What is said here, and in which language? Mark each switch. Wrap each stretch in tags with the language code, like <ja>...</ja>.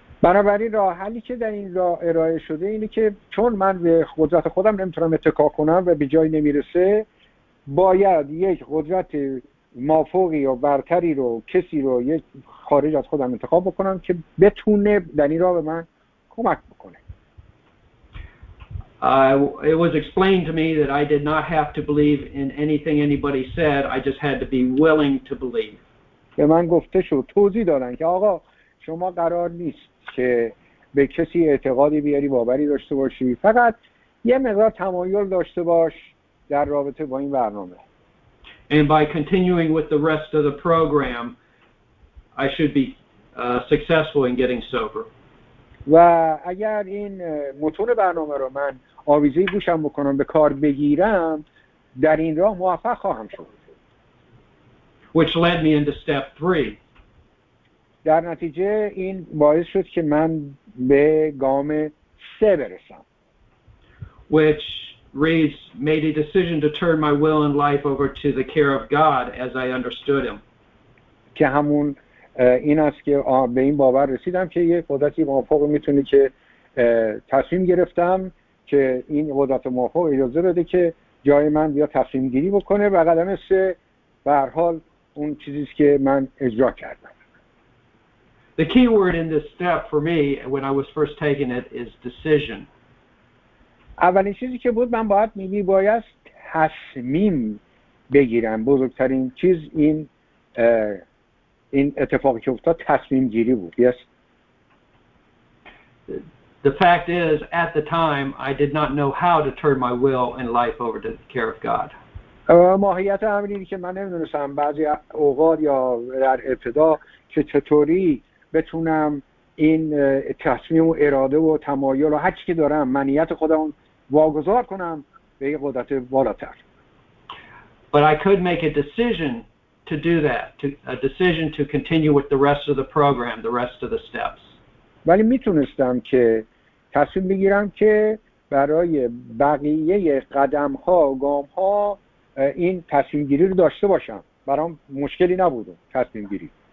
<fa>بنابراین راه حلی که در این راه ارائه شده اینه که چون من به قدرت خودم نمیتونم اتکا کنم و به جایی نمیرسه، باید یک قدرت مافوقی یا برتری رو، کسی رو، یک خارج از خودم انتخاب بکنم که بتونه در این راه به من کمک بکنه.</fa> <en>It was explained to me that I did not have to believe in anything anybody said. I just had to be willing to believe.</en> <fa>به من گفته شد، توضیح دادن که آقا شما قرار نیست که به کسی اعتقادی بیاری، باوری داشته باشی. فقط یه مقدار تمایل داشته باش در رابطه با این برنامه.</fa> <en>And by continuing with the rest of the program, I should be successful in getting sober.</en> <fa>و اگر این متون برنامه رو من آویزه گوشم بکنم به کار بگیرم، در این راه موفق خواهم شد.</fa> <en>Which led me into step three.</en> <fa>در نتیجه این باعث شد که من به گام سه برسم.</fa> <en>Which Reeves made a decision to turn my will and life over to the care of God as I understood him.</en> <fa>که همون این است که به این باور رسیدم که یه قدرتی موافق میتونه که تصمیم گرفتم که این قدرت موافق اجازه بده که جای من بیا تصمیم گیری بکنه و قدم سه به هر حال اون چیزیست که من اجرا کردم.</fa> <en>The key word in this step for me when I was first taking it is decision.</en> <fa>اولین چیزی که بود من باید میباید تصمیم بگیرم. بزرگترین چیز این اتفاقی که افتاد تصمیم گیری بود.</fa> <en>Yes. The fact is, at the time, I did not know how to turn my will and life over to the care of God.</en> <fa>ماهیت همین اینه که من نمیدونستم بعضی اوقات یا در ابتدا که چطوری بتونم این تصمیم و اراده و تمایل و هر چی که دارم منیت خودم واگذار کنم به یه قدرت بالاتر.</fa> <en>But I could make a decision to do that, a decision to continue with the rest of the program, the rest of the steps.</en> <fa>ولی میتونستم که تصمیم بگیرم که برای بقیه قدم‌ها و گام‌ها این تصمیم گیری رو داشته باشم. برام مشکلی نبود تصمیم گیری.</fa>